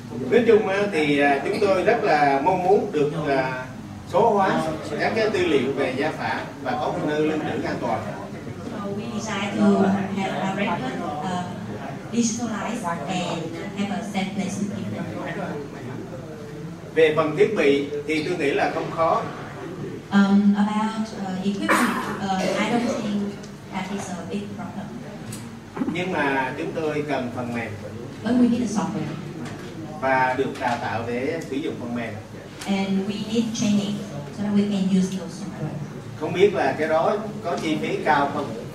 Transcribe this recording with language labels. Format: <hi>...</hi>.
<vi>Nói chung thì chúng tôi rất là mong muốn được số hóa các cái tư liệu về gia phả và có một nơi lưu trữ an toàn.</vi> <en>We decided to have a record digitalized and have a safe place to keep them.</en> <vi>Về phần thiết bị thì tôi nghĩ là không khó.</vi> <en>I don't think that is a big problem.</en> <vi>Nhưng mà chúng tôi cần phần mềm.</vi> <en>But we need a software.</en> <vi>Và được đào tạo để sử dụng phần mềm.</vi> <en>And we need training so that we can use those software.</en> <vi>Không biết là cái đó có chi phí cao không?</vi>